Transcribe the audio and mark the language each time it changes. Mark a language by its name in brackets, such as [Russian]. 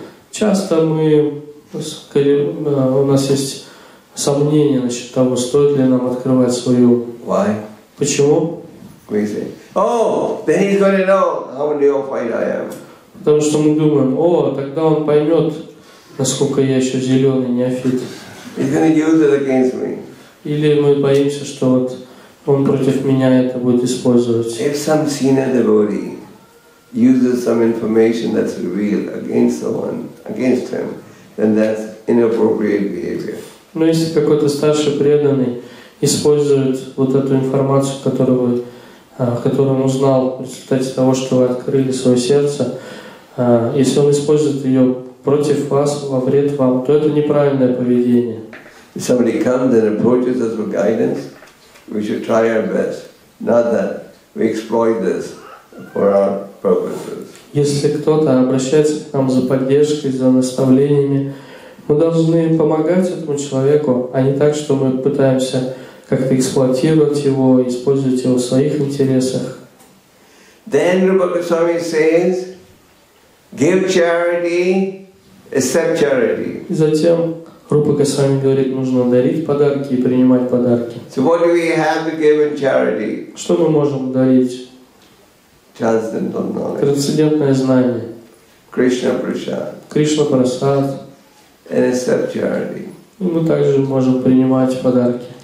[Russian] Часто мы, у нас есть сомнения насчет того, стоит ли нам открывать свой ум. [English] Why? [Russian] Почему? [English] We say, oh, then he's going to know how neophyte I am. [Russian] Потому что мы думаем, о, тогда он поймет, насколько я еще зеленый неофит. [English] He's going to use it against me. [Russian] Или мы боимся, что вот он против меня это будет использовать. [English] If some senior devotee uses some information that's revealed against someone, against him, then that's inappropriate behavior. [Russian] Но если какой-то старший преданный использует вот эту информацию, которую он узнал в результате того, что вы открыли свое сердце, если он использует ее против вас, во вред вам, то это неправильное поведение. [English] If somebody comes and approaches us for guidance, we should try our best. Not that we exploit this for our purposes. [Russian] Если кто-то обращается к нам за поддержкой, за наставлениями, мы должны помогать этому человеку, а не так, что мы пытаемся как-то эксплуатировать его, использовать его в своих интересах. [English] Then Rupa Goswami says, give charity, accept charity. [Russian] И затем Рупа Госвами говорит, нужно дарить подарки и принимать подарки. [English] So what do we have to give in charity? [Russian] Что мы можем дарить? [English] Transcendental knowledge. [Russian] Трансцендентное знание. [English] Krishna Prasad. [Russian] Krishna Prasad. [English] And accept charity. [Russian] И мы также можем принимать подарки.